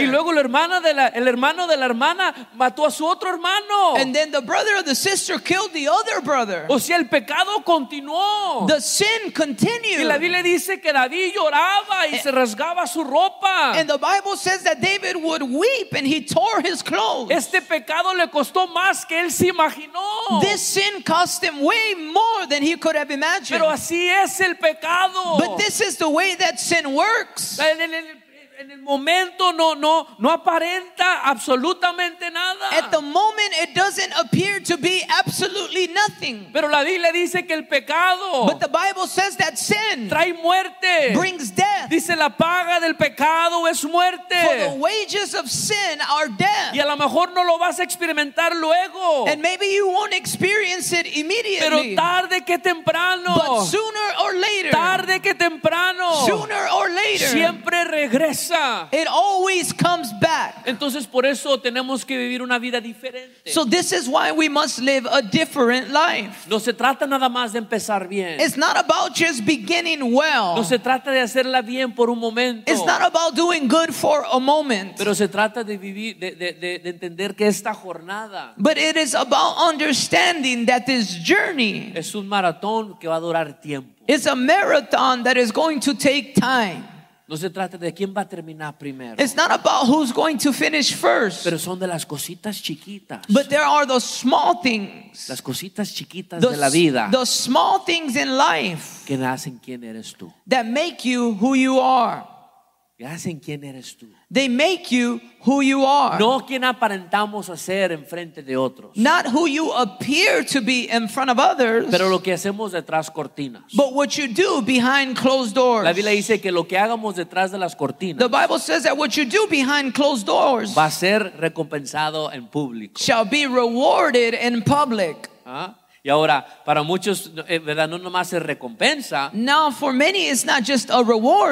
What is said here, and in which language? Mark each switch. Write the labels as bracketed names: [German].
[Spanish] Y luego el hermano de la hermana mató a su otro hermano. [English] And then the brother of the sister killed the other brother. [Spanish] O sea, el pecado continuó. [English] The sin continued. [Spanish] Y la Biblia dice que David lloraba y se rasgaba su ropa. [English] And the Bible says that David would weep and he tore his clothes. [Spanish] Este pecado le costó más que él se imaginó. [English] This sin cost him way more than he could have imagined. [Spanish] Pero así es el pecado. [English] But this is the way that sin works. [Spanish] En el momento no aparenta absolutamente nada. [English] At the moment it doesn't appear to be absolutely nothing. [Spanish] Pero la Biblia dice que el pecado, [English] but the Bible says that sin [Spanish] trae muerte, [English] brings death. [Spanish] Dice la paga del pecado es muerte. [English] For the wages of sin are death. [Spanish] Y a lo mejor no lo vas a experimentar luego. [English] And maybe you won't experience it immediately. [Spanish] Pero tarde que temprano. [English] But sooner or later. [Spanish] Tarde que temprano. [English] Sooner or later. [Spanish] Siempre regresa. [English] It always comes back. [Spanish] Entonces, por eso tenemos que vivir una vida diferente. [English] So this is why we must live a different life. [Spanish] No se trata nada más de empezar bien. [English] It's not about just beginning well. [Spanish] No se trata de hacerla bien por un momento. [English] It's not about doing good for a moment. [Spanish] Pero se trata de vivir, de entender que esta jornada. [English] But it is about understanding that this journey [Spanish] es un maratón que va a durar tiempo. [English] It's a marathon that is going to take time. [Spanish] No se trata de quién va a terminar primero. [English] It's not about who's going to finish first. [Spanish] Pero son de las cositas chiquitas. [English] But there are the small things. [Spanish] Las cositas chiquitas de la vida. [English] The small things in life. [Spanish] Que hacen quién eres tú. [English] That make you who you are. [Spanish] Que hacen quién eres tú. [English] They make you who you are. [Spanish] No quién aparentamos hacer en frente de otros. [English] Not who you appear to be in front of others. [Spanish] Pero lo que hacemos detrás cortinas. [English] But what you do behind closed doors. [Spanish] La Biblia dice que lo que hagamos detrás de las cortinas. [English] The Bible says that what you do behind closed doors. [Spanish] Va a ser recompensado en público. [English] Shall be rewarded in public. [Spanish] ¿Ah? Y ahora, para muchos, ¿verdad? No nomás es recompensa. [English] Now, for many, it's not just a reward.